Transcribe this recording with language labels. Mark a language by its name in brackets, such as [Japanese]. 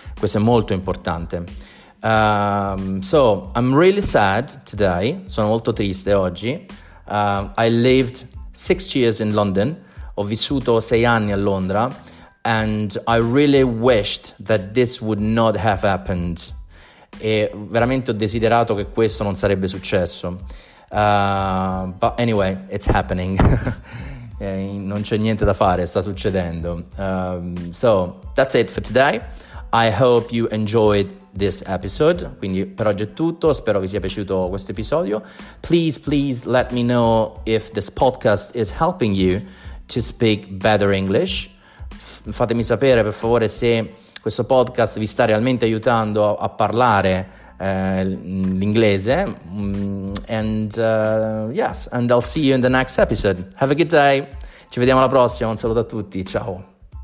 [Italian] Questo è molto importante. [English] So I'm really sad today. [Italian] Sono molto triste oggi. [English] I lived 6 years in London. [Italian] Ho vissuto 6 anni a Londra. [English] And I really wished that this would not have happened. [Italian] E veramente ho desiderato che questo non sarebbe successo. [English] But anyway, it's happening. [Italian] Non c'è niente da fare, sta succedendo. [English] So that's it for today. I hope you enjoyed this episode. [Italian] Quindi per oggi è tutto, spero vi sia piaciuto questo episodio. [English] Please let me know if this podcast is helping you to speak better English. [Italian] Fatemi sapere per favore se questo podcast vi sta realmente aiutando a parlare l'inglese. [English] And I'll see you in the next episode. Have a good day. [Italian] Ci vediamo alla prossima. Un saluto a tutti. Ciao.